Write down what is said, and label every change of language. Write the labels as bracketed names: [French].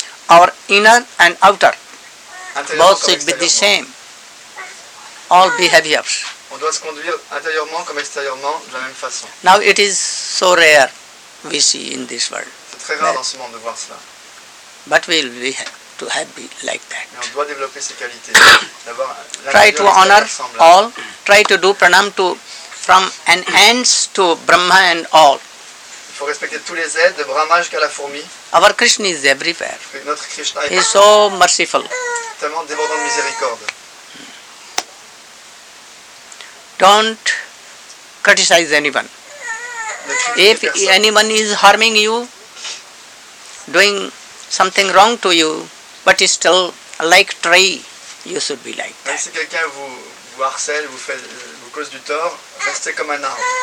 [English] Our inner and outer, both should be the same, all behaviors. [French] On doit se conduire intérieurement comme extérieurement de la même façon. [English] Now it is so rare we see in this world. [French] C'est très rare dans ce monde de voir cela. [English] But we'll be to have it like that. [French] Mais on doit développer ces qualités. [English] Try to honor all, try to do pranam to from an ants to Brahma and all. [French] Il faut respecter tous les êtres, de Brahma jusqu'à la fourmi. [English] Our Krishna is everywhere. [French] Notre Krishna est [English] He is so merciful. [French] Tellement débordant de miséricorde. [English] Don't criticize anyone. If anyone is harming you, doing something wrong to you, but still like tree, you should be like that. [French] Si quelqu'un vous harcèle, vous cause du tort, restez comme un arbre,